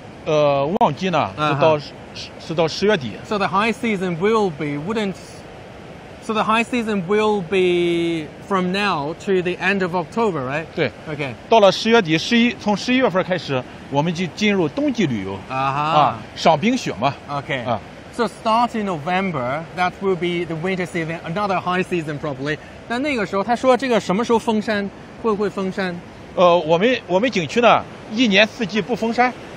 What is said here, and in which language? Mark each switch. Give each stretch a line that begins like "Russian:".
Chinese: 我们基本上旺季呢是到十月底。
English: So the high season will be, so the high season will be from now to the end of October, right?
Chinese: 对。
English: Okay.
Chinese: 到了十月底，从十一月份开始，我们就进入冬季旅游。赏冰雪嘛。
English: Okay. So starting November, that will be the winter season, another high season probably.
Chinese: 但那个时候，他说这个什么时候封山，会不会封山？我们景区呢，一年四季不封山。